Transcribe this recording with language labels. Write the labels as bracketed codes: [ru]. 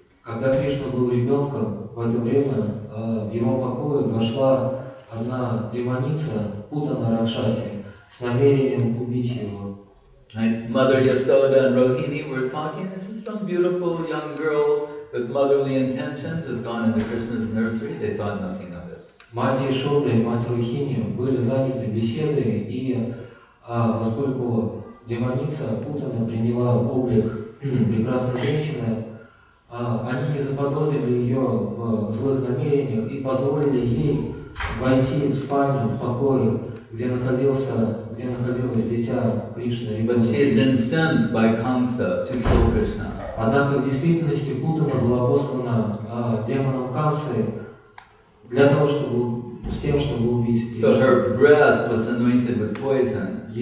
[ru] Когда Кришна был ребенком, в это время в его покое вошла одна демоница, Путана Ракшаси, с намерением убить его. [en] Mother Yasoda and Rohini were talking, this is some beautiful young girl with motherly intentions has gone into Krishna's nursery. They thought nothing of it. [ru] Мать Яшода и мать Рохини были заняты беседой, и поскольку демоница Путана приняла облик прекрасной женщины, они не заподозрили ее в злых намерениях и позволили ей войти в спальню, в покой, где находилось дитя Кришны. [en] But she had been sent by Kamsa to kill Krishna. [ru] Однако в действительности Путана была послана демоном Камсы для того, чтобы убить Кришну. [en] So her breast was anointed with poison.